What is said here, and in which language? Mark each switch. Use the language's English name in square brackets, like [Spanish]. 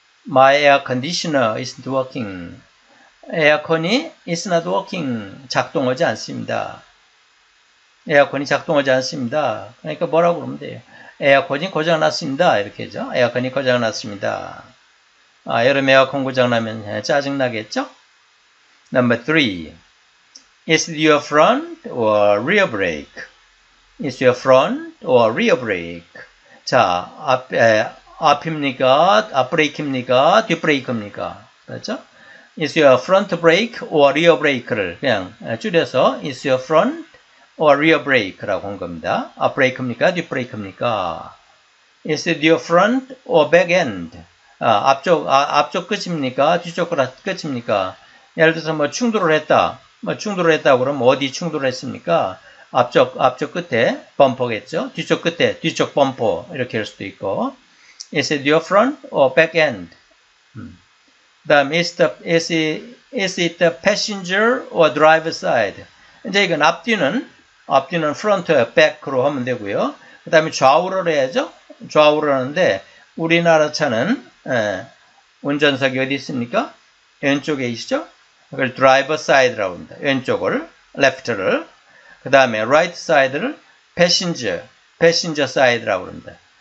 [English] My air conditioner isn't working. 에어컨이 is not working. [Korean] 작동하지 않습니다. 에어컨이 작동하지 않습니다. 그러니까 뭐라고 그러면 돼요? 에어컨이 고장 났습니다. 이렇게죠. 에어컨이 고장 났습니다. 여름 에어컨 고장 나면 짜증 나겠죠? [English] Number three, is it your front or rear brake? Is your front or rear brake? [Korean] 자, 앞입니까? 앞브레이크입니까? 뒷브레이크입니까? 맞죠? [English] Is your front brake or rear brake [Korean] 를 그냥 줄여서 [English] Is your front or rear brake [Korean] 라고 한 겁니다. 앞브레이크입니까? 뒷브레이크입니까? [English] Is it your front or back end? [Korean] 앞쪽 끝입니까? 뒤쪽 끝입니까? 예를 들어서 뭐 충돌을 했다. 뭐 충돌을 했다고 그러면 어디 충돌을 했습니까? 앞쪽 끝에 범퍼겠죠? 뒤쪽 끝에 뒤쪽 범퍼 이렇게 할 수도 있고 [English] Is it your front or back end? 다음 is it the passenger or driver side? [Korean] 이제 이건 앞뒤는 front or back로 하면 되고요. 그 다음에 좌우를 해야죠. 좌우를 하는데 우리나라 차는 운전석이 어디 있습니까? 왼쪽에 있죠? 그걸 driver side라고 합니다. 왼쪽을 left를 그 다음에 right side를 passenger side라고 합니다.